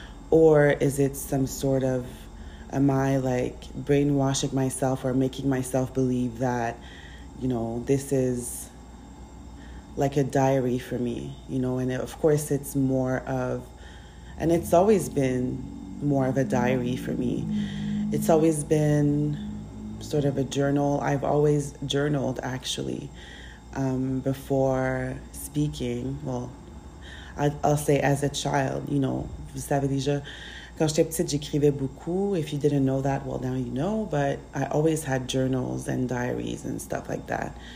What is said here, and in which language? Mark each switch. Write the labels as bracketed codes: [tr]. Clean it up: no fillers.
[en] Or is it some sort of, am I like brainwashing myself or making myself believe that, you know, this is like a diary for me, you know? And it, of course, it's more of, and it's always been more of a diary for me. It's always been sort of a journal. I've always journaled, actually, before speaking. Well, I'll say as a child, you know, [fr] vous savez déjà, quand j'étais petite, j'écrivais beaucoup. [en] If you didn't know that, well, now you know, but I always had journals and diaries and stuff like that.